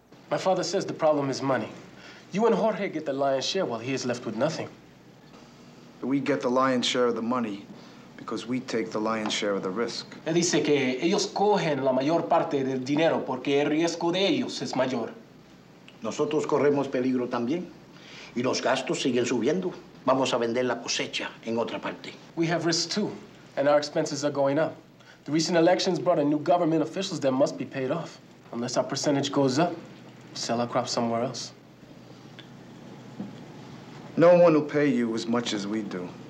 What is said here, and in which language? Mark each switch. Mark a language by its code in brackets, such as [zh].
[en] My father says the problem is money. You and Jorge get the lion's share while he is left with nothing. We get the lion's share of the money because we take the lion's share of the risk. [es] Me dice que ellos cogen la mayor parte del dinero porque el riesgo de ellos es mayor. Nosotros corremos peligro también y los gastos siguen subiendo. Vamos a vender la cosecha en otra parte. [en] We have risks too, and our expenses are going up. The recent elections brought in new government officials that must be paid off. Unless our percentage goes up, we'll sell our crop somewhere else. No one will pay you as much as we do.